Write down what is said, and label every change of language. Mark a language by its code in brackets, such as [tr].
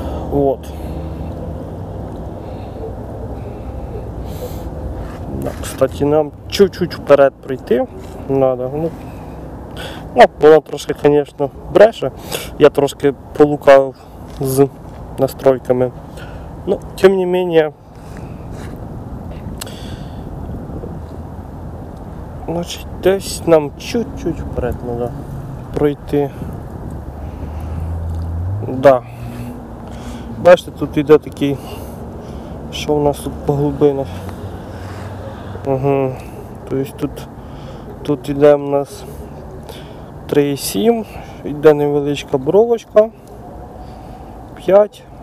[ru] Вот. Да, кстати, нам чуть-чуть вперед прийти надо. [uk] Ну, воно трошки, [ru] конечно, [uk] бреше. Я трошки полукав з настройками. [ru] Ну, тем не менее. [uk] Значить, десь нам [ru] чуть-чуть вперед [uk] треба пройти. Да. Бачите, тут йде такий, що в нас тут по глибинах. Угу. Тобто тут йде в нас 3,7, йде невеличка бровочка, 5.